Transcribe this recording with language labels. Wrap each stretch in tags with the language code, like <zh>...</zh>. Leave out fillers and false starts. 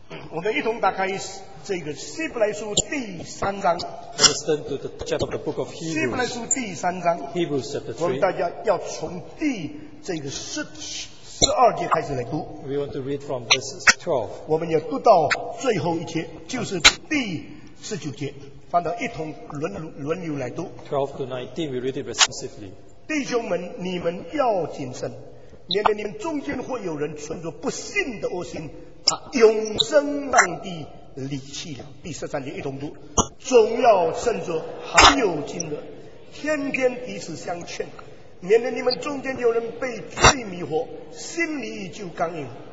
<zh>我们一同打开这个希伯来书第三章。</zh> <en>Let's turn to the chapter of the book of Hebrews。</en> <zh>希伯来书第三章。</zh> <en>Hebrews chapter three。</en> <zh>我们大家要从第这个十二节开始来读。</zh> <en>We want to read from verse 12。</en> <zh>我们要读到最后一节，就是第十九节，翻到一同轮流来读。</zh> <en>12 to 19, we read it responsively。</en> <zh>弟兄们，你们要谨慎，免得你们中间会有人存着不信的恶心，把永生上帝离弃了。第十三节一同读，总要趁着还有今日，天天彼此相劝，免得你们中间有人被罪迷惑，心里就刚硬。</zh>